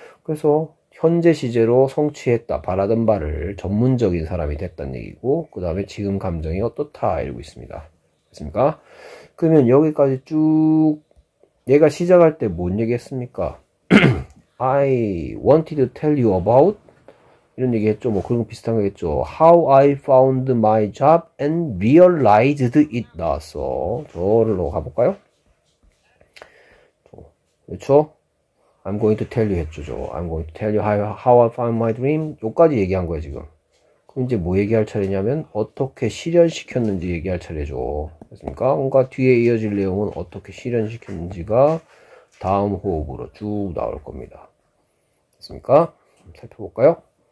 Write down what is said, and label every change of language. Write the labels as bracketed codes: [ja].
[ko] 그래서 현재 시제로 성취했다, 바라던 바를 전문적인 사람이 됐단 얘기고, 그 다음에 지금 감정이 어떻다 이러고 있습니다. 됐습니까? 그러면 여기까지 쭉 얘가 시작할 때뭔 얘기 했습니까? [en] I wanted to tell you about [ko] 이런 얘기 했죠. 뭐 그런 거 비슷한 거겠죠. [en] How I found my job and realized it [ko] 나왔어. 저를로 가볼까요? 그렇죠? [en] I'm going to tell you [ko] 했죠. 저. [en] I'm going to tell you how I found my dream. [ko] 요까지 얘기한 거야 지금. 그럼 이제 뭐 얘기할 차례냐면 어떻게 실현시켰는지 얘기할 차례죠. 그렇습니까? 뭔가 뒤에 이어질 내용은 어떻게 실현시켰는지가 다음 호흡으로 쭉 나올 겁니다. 됐습니까? 살펴볼까요?